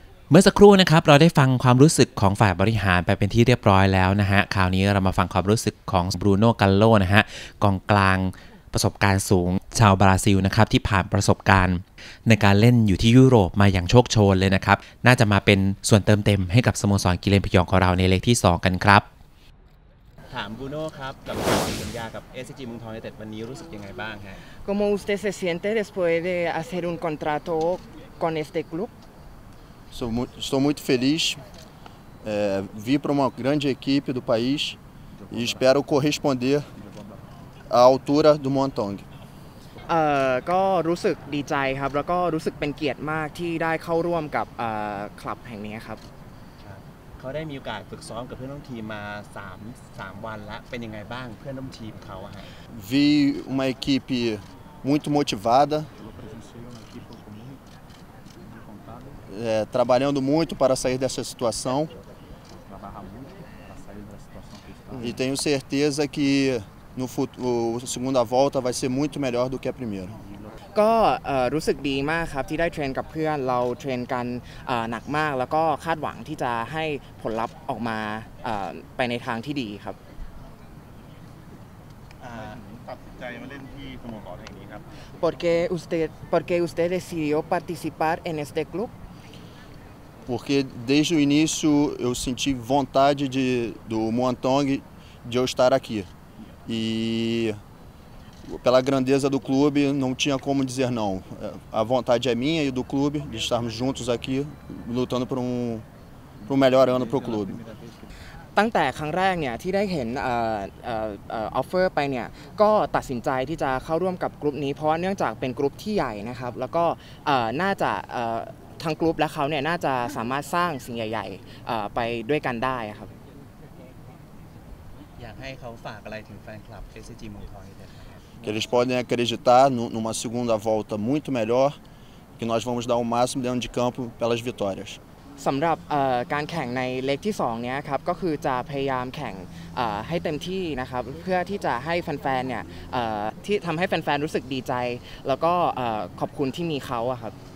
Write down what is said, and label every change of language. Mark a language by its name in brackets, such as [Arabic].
[Thai] เมื่อสักครู่นะครับเราได้ฟังความรู้สึกของฝ่ายบริหารไปเป็นที่เรียบร้อยแล้วนะฮะคราวนี้เรามาฟังความรู้สึกของบรูโน่กัลโลนะฮะกองกลางประสบการณ์สูงชาวบราซิลนะครับที่ผ่านประสบการณ์ในการเล่นอยู่ที่ยุโรปมาอย่างโชคโชนเลยนะครับน่าจะมาเป็นส่วนเติมเต็มให้กับสโมสรกิเลนพยองของเราในเล็กที่2กันครับ ถามบรูโน่ครับกับการสัญญากับ SCG เมืองทองยูไนเต็ดวันนี้รู้สึกยังไงบ้างฮะ [Spanish] Como usted se siente después de hacer un contrato con este club [Portuguese] Estou muito feliz, vim para uma grande equipe do país e espero corresponder à altura do Montong. [Thai] ก็รู้สึกดีใจครับแล้วก็รู้สึกเป็นเกียรติมากที่ได้เข้าร่วมกับคลับแห่งนี้ครับ เขาได้มีโอกาสฝึกซ้อมกับเพื่อนร่วมทีมมา3วันแล้วเป็นยังไงบ้างเพื่อนร่วมทีมเขาฮะ [Portuguese] Vi uma equipe muito motivadaTrabalhando muito para sair dessa situação. E tenho certeza que no futuro, a segunda volta vai ser muito melhor do que a primeira. [Thai] ก็รู้สึกดีมากครับที่ได้เทรนกับเพื่อนเราเทรนกันหนักมากแล้วก็คาดหวังที่จะให้ผลลัพธ์ออกมาไปในทางที่ดีครับ [Spanish] Porque usted decidió participar en este club? [Portuguese] Porque desde o início eu senti vontade do Muangthong de eu estar aqui. E pela grandeza do clube não tinha como dizer não. A vontade é minha e do clube de estarmos juntos aqui lutando por um melhor ano para o clube. [Thai] ตั้งแต่ครั้งแรกเนี่ยที่ได้เห็นออฟเฟอร์ไปเนี่ยก็ตัดสินใจที่จะเข้าร่วมกับกลุ่มนี้เพราะว่าเนื่องจากเป็นกลุ่มที่ใหญ่นะครับแล้วก็น่าจะทั้งกลุ่มและเขาเนี่ยน่าจะสามารถสร้างสิ่งใหญ่ๆไปด้วยกันได้ครับ อยากให้เขาฝากอะไรถึงแฟนคลับ SCG เมืองทอง [Portuguese] ครับ Que eles podem acreditar numa segunda volta muito melhor que nós vamos dar o máximo dentro de campo pelas vitórias. [Thai] สำหรับการแข่งในเล็กที่2เนี้ยครับก็คือจะพยายามแข่งให้เต็มที่นะครับเพื่อที่จะให้แฟนๆเนี่ยที่ทำให้แฟนๆรู้สึกดีใจแล้วก็ขอบคุณที่มีเขาอะครับ